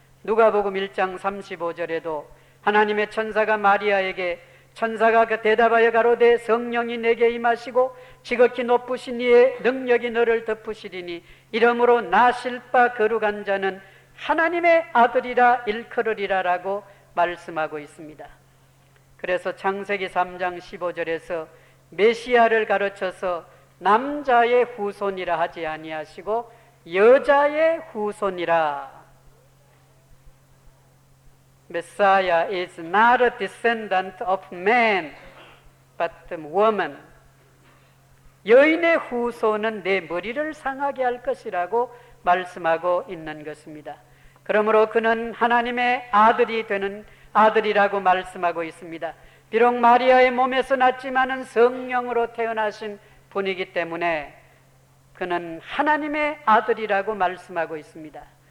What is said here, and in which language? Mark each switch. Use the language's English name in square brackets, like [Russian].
[Korean] 누가복음 1장 35절에도 하나님의 천사가 마리아에게 천사가 대답하여 가로되 성령이 내게 임하시고 지극히 높으신 이의 능력이 너를 덮으시리니 이러므로 나실바 거룩한 자는 하나님의 아들이라 일컬으리라 라고 말씀하고 있습니다. 그래서 창세기 3장 15절에서 메시아를 가르쳐서 남자의 후손이라 하지 아니하시고 여자의 후손이라 [English] Messiah is not a descendant of man, but woman. [Korean] 여인의 후손은 내 머리를 상하게 할 것이라고 말씀하고 있는 것입니다. 그러므로 그는 하나님의 아들이 되는 아들이라고 말씀하고 있습니다. 비록 마리아의 몸에서 났지만은 성령으로 태어나신 분이기 때문에 그는 하나님의 아들이라고 말씀하고 있습니다.